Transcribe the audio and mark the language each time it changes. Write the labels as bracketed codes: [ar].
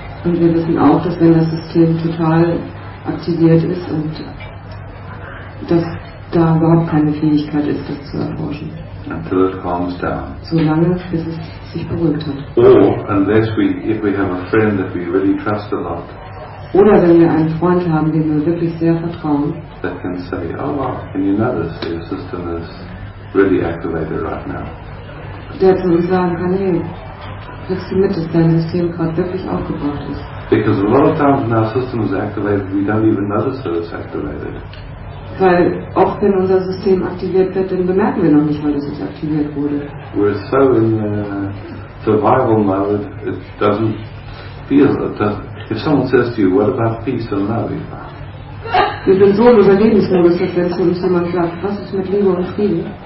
[de] Und wir wissen auch, dass wenn das System total aktiviert ist und dass da überhaupt keine Fähigkeit ist, das zu erforschen. [en] Until it calms down. [de] Solange bis es sich beruhigt hat. [en] Or unless if we have a friend that we really trust a lot. [de] Oder wenn wir einen Freund haben, dem wir wirklich sehr vertrauen. [en] That can say, oh wow, can you notice your system is really activated right now? [de] Der zu uns sagen kann, hey, kriegst du mit, dass dein System gerade wirklich aufgebaut ist. [en] Because a lot of times when our system is activated, we don't even notice that it's activated. [de] Weil oft, wenn unser System aktiviert wird, dann bemerken wir noch nicht, weil es aktiviert wurde. [en] We're so in survival mode, it doesn't feel, it doesn't, if someone says to you, what about peace and love? [de] Wir sind so im Überlebensmodus, dass wenn zu uns jemand sagt, was ist mit Liebe und Frieden?